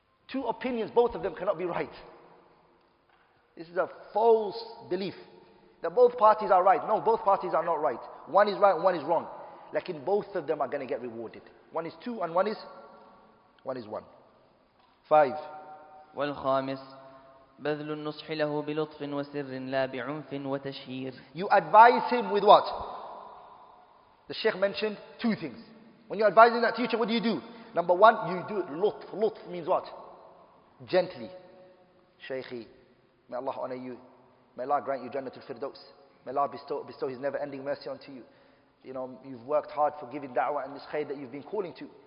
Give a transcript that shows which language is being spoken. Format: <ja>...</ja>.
<en>Two opinions, both of them cannot be right. This is a false belief. That both parties are right. No, both parties are not right. One is right, one is wrong. Lakin both of them are going to get rewarded. One is two and one is one. Five.</en> <ar>والخامس بذل النصح له بلطف وسر لا بعنف وتشهير.</ar> <en>You advise him with what? The Sheikh mentioned two things. When you're advising that teacher, what do? Number one, you do it lutf. Lutf means what? Gently. Shaykhi, may Allah honor you. May Allah grant you Jannatul Firdaus. May Allah bestow His never-ending mercy onto you. You know, you've worked hard for giving da'wah and this khayr that you've been calling to.</en>